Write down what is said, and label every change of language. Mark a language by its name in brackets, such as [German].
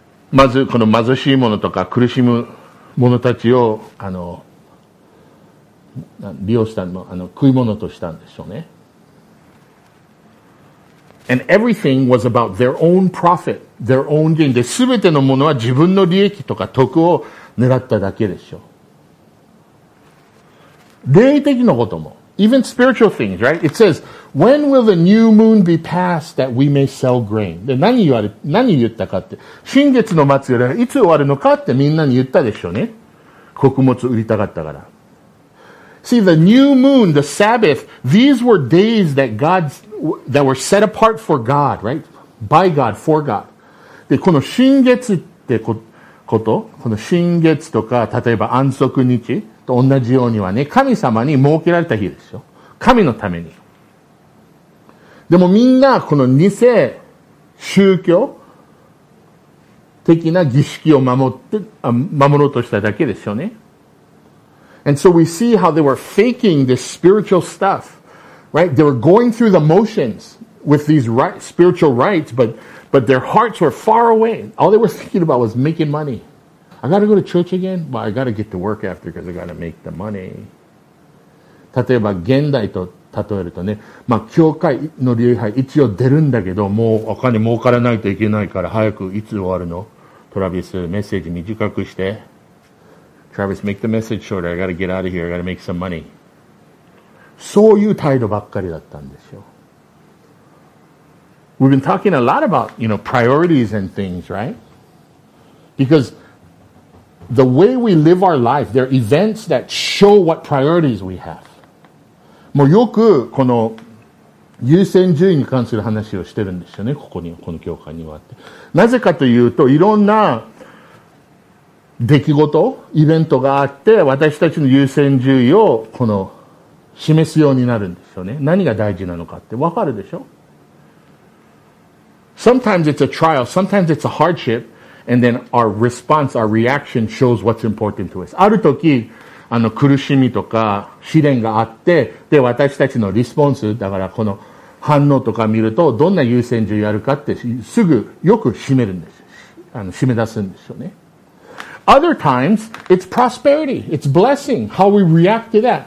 [Japanese] まずこの貧しい者とか苦しむ者たちを利用したの、食い物としたんでしょうね。 [English] And everything was about their own profit, their own gain. [Japanese] で、すべてのものは自分の利益とか得を狙っただけでしょう。霊的なことも。 [English] Even spiritual things, right? It says, when will the new moon be passed that we may sell grain? [Japanese] で、何言ったかって。新月の祭りはいつ終わるのかってみんなに言ったでしょうね。穀物売りたかったから。 [English] See, the new moon, the Sabbath, these were days that God's, that were set apart for God, right? By God, for God. [Japanese] で、この新月ってこと、この新月とか、例えば安息日、と同じようにはね、神様に設けられた日ですよ。神のために。でもみんな、この偽宗教的な儀式を守ろうとしただけですよね。 [English] And so we see how they were faking this spiritual stuff, right? They were going through the motions with these spiritual rites, but their hearts were far away. All they were thinking about was making money. I gotta go to church again? Well, I gotta get to work after because I gotta make the money. [Japanese] 例えば、現代と例えるとね、まあ、教会の礼拝一応出るんだけど、もうお金儲からないといけないから、早くいつ終わるの？トラビス、メッセージ短くして。 [English] Travis, make the message shorter. I gotta get out of here. I gotta make some money. [Japanese] そういう態度ばっかりだったんですよ。 [English] We've been talking a lot about, you know, priorities and things, right? Because,The way we live our life, there are events that show what priorities we have. [Japanese] もうよくこの優先順位に関する話をしてるんですよね。ここに、この教会にはって。なぜかというと、いろんな出来事、イベントがあって、私たちの優先順位をこの示すようになるんですよね。何が大事なのかってわかるでしょ？ [English] Sometimes it's a trial, sometimes it's a hardship. And then our response, our reaction shows what's important to us. [Japanese] ある時、苦しみとか試練があって、で、私たちのリスポンス、だからこの反応とか見ると、どんな優先順位あるかって、すぐよく締めるんです。締め出すんですよね。 [English] Other times, it's prosperity. It's blessing. How we react to that.